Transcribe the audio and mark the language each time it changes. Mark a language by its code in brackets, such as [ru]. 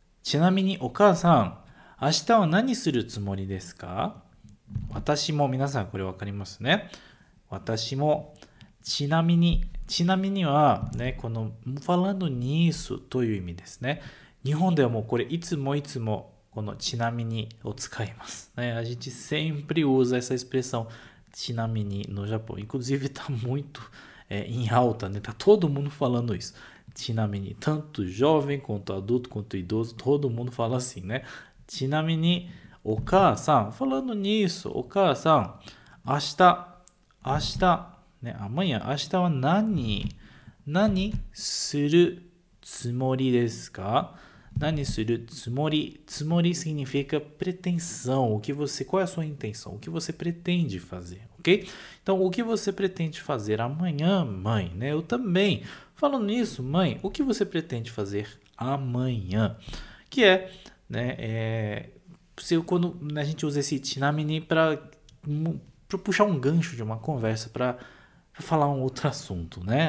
[ja] ちなみにお母さん、明日は何するつもりですか？私も、皆さんこれ分かりますね。私も、ちなみに、ちなみにはね、この [pt] falando nisso [ja] という意味ですね。日本ではもうこれいつもいつもこのちなみにを使います。 [pt] A gente sempre usa essa expressão ちなみにの Japão. Inclusive está muito em alta, né? Está todo mundo falando isso. ちなみに、tanto jovem quanto adulto quanto idoso, todo mundo fala assim, né? [ja] ちなみに、お母さん、 [pt] falando nisso, [ja] お母さん、明日、amanhã, 明日は何するつもりですか？何するつもり？ [pt] つもり significa pretensão, o que você, qual é a sua intenção, o que você pretende fazer, ok? Então, o que você pretende fazer amanhã, mãe, né? Eu também... Falando nisso, mãe, o que você pretende fazer amanhã? Que é, né, quando a gente usa esse chinamini para puxar um gancho de uma conversa para falar um outro assunto, né?